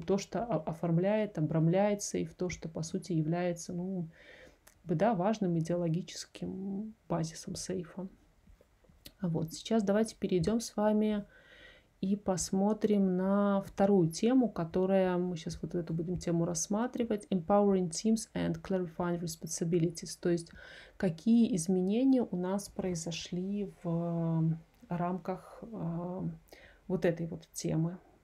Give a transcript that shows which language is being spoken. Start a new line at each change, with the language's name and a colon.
Russian: То, что оформляет, обрамляет сейф, то, что, по сути, является, ну, да, важным идеологическим базисом сейфа. Вот, сейчас давайте перейдем с вами и посмотрим на вторую тему, которая мы сейчас вот эту будем тему рассматривать.
English: Empowering teams and clarifying responsibilities.
Russian: То есть, какие изменения у нас произошли в рамках вот этой вот темы.